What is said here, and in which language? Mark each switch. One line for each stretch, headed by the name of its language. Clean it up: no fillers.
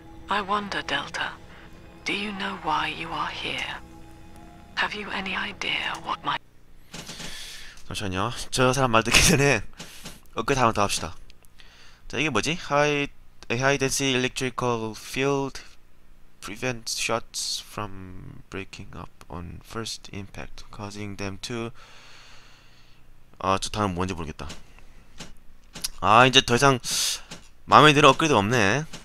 English: I wonder, Delta, do you know why you are here? Have you any idea what my...
Korean: 잠시만요. 저 사람 말 듣기 전에 어깨 다 한번 더 합시다. 자, 이게 뭐지?
English: High density electrical field prevents shots from breaking up on first impact, causing them to...
Korean: 아, 저 단어 뭔지 모르겠다. 아, 이제 더 이상 마음에 드는 업그레이드가 없네.